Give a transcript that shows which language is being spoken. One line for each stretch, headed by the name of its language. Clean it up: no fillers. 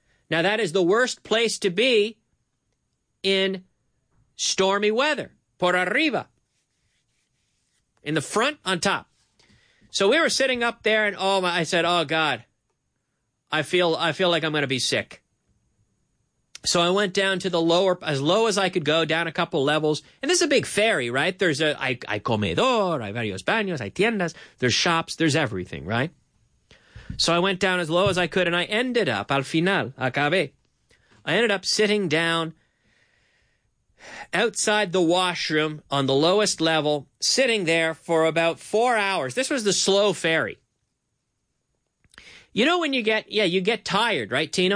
English: Now, that is the worst place to be in stormy weather.
Spanish: Por arriba.
English: In the front, on top. So we were sitting up there, and I said, oh, God. I feel like I'm going to be sick. So I went down to the lower, as low as I could go, down a couple levels. And this is a big ferry, right? There's
Spanish: a hay comedor, hay varios baños, hay tiendas.
English: There's shops. There's everything, right? So I went down as low as I could, and I ended up,
Spanish: al final, acabé.
English: I ended up sitting down outside the washroom on the lowest level, sitting there for about 4 hours. This was the slow ferry. You know when you get, yeah, you get tired, right, Tino?